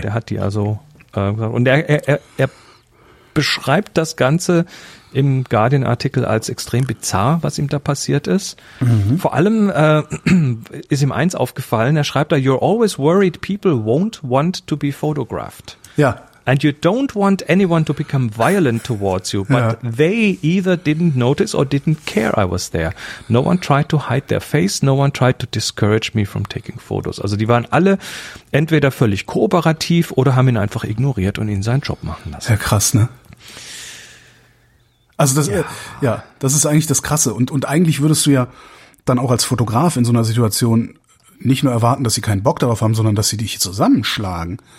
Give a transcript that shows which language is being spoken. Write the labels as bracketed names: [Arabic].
[German] Der hat die also gesagt. Und er beschreibt das Ganze im Guardian-Artikel als extrem bizarr, was ihm da passiert ist. Mhm. Vor allem ist ihm eins aufgefallen, er schreibt da, [English] you're always worried people won't want to be photographed. [German] Ja. [English] And you don't want anyone to become violent towards you, but they either didn't notice or didn't care I was there. No one tried to hide their face, no one tried to discourage me from taking photos. [German] Also die waren alle entweder völlig kooperativ oder haben ihn einfach ignoriert und ihn seinen Job machen lassen. Ja, krass, ne? Also das, das ist eigentlich das Krasse. Und eigentlich würdest du ja dann auch als Fotograf in so einer Situation nicht nur erwarten, dass sie keinen Bock darauf haben, sondern dass sie dich zusammenschlagen.